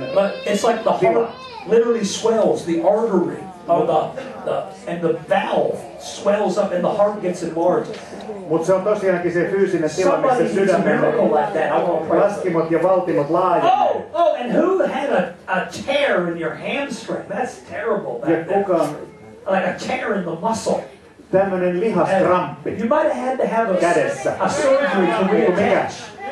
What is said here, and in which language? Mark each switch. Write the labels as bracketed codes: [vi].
[en] But it's like the heart literally swells, the artery. And the valve swells up and the heart gets enlarged. [fi] Mutta se on tosiaankin se fyysinen tila, missä sydämen laskimot ja valtimot laajenee. [en] Oh, and who had a tear in your hamstring? That's terrible. [fi] Ja kukaan. [en] Like a tear in the muscle. [fi] Tämmönen lihaskramppi. [en] You might have had to have a surgery to reattach.